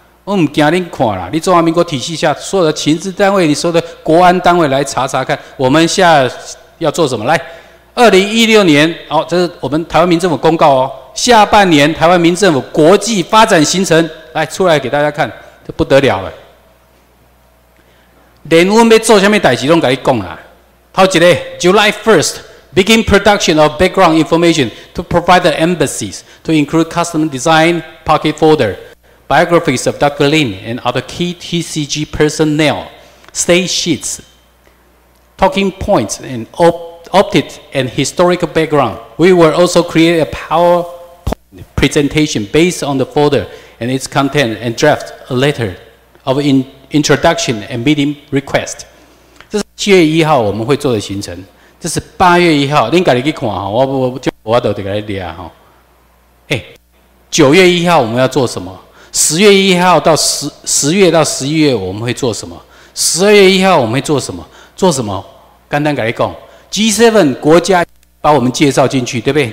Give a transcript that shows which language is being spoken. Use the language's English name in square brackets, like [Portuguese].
[Chinese] 我不怕你看啦，你中华民国体系下所有的情资单位，你所有的国安单位来查查看我们下要做什么。来，2016年，好、哦、这是我们台湾民政府公告哦，下半年台湾民政府国际发展行程，来出来给大家看，这不得了了。连我们要做什么事情都跟你说啦。头一个 [English] July 1st Begin production of background information to provide the embassies to include custom design pocket folder biographies of Dr. Lin and other key TCG personnel state sheets talking points and optics and historical background. We will also create a PowerPoint presentation based on the folder and its content and draft a letter of introduction and meeting request. [Chinese] 这是7月1号我们会做的行程。这是8月1号你自己去看，我就给你抓、哦欸、9月1号我们要做什么？ 10月1号到 10月到11月我们会做什么？ 12月1号我们会做什么？做什么？简单跟你讲， G7 国家把我们介绍进去，对不对？